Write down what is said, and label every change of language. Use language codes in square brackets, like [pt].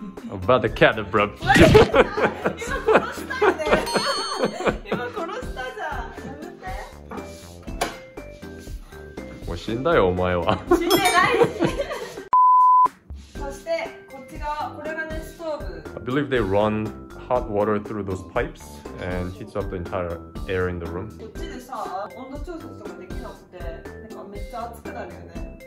[en] About the cat, bro. [ja] 今殺したよね。今殺したじゃん。やめて。もう死んだよお前は。死んでないし。そしてこっち側、これがねストーブ。 [en] I believe they run hot water through those pipes and heats up the entire air in the room. [ja] こっちでさ、温度調節とかできなくて、なんかめっちゃ暑くなるよね。